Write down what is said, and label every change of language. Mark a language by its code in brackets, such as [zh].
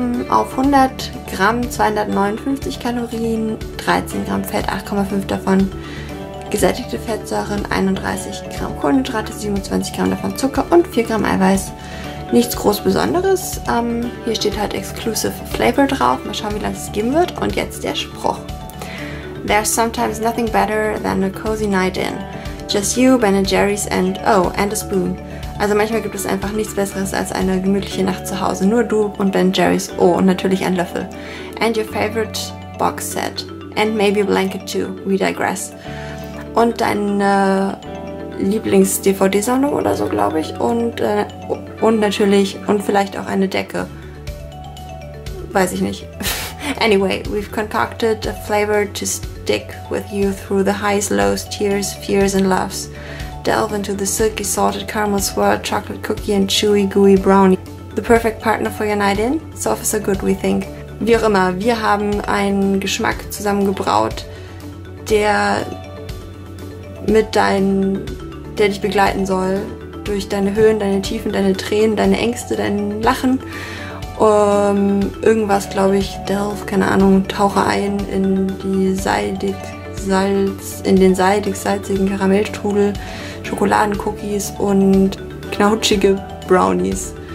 [de] Auf 100 Gramm 259 Kalorien, 13 Gramm Fett, 8,5 davon gesättigte Fettsäuren, 31 Gramm Kohlenhydrate, 27 Gramm davon Zucker und 4 Gramm Eiweiß. Nichts groß Besonderes. Hier steht halt Exclusive Flavor drauf. Mal schauen, wie lange es geben wird. Und jetzt der Spruch. [en] There's sometimes nothing better than a cozy night in. Just you, Ben & Jerry's and oh, and a spoon. [de] Also manchmal gibt es einfach nichts Besseres als eine gemütliche Nacht zu Hause. Nur du und Ben & Jerry's. Oh, und natürlich ein Löffel. [en] And your favorite box set. And maybe a blanket too. We digress. [de] Und deine Lieblings-DVD-Sammlung oder so, glaube ich. Und natürlich, und vielleicht auch eine Decke. Weiß ich nicht. [en] Anyway, we've concocted a flavor to stick with you through the highs, lows, tears, fears and loves. Delve into the silky salted caramel swirl, chocolate cookie and chewy gooey brownie. The perfect partner for your night in? So far so good, we think. [de] Wie auch immer, wir haben einen Geschmack zusammengebraut, der mit der dich begleiten soll. Durch deine Höhen, deine Tiefen, deine Tränen, deine Ängste, dein Lachen. Irgendwas, glaube ich, delve, keine Ahnung, tauche ein in die salzigen Karamellstrudel, Schokoladencookies und knautschige Brownies.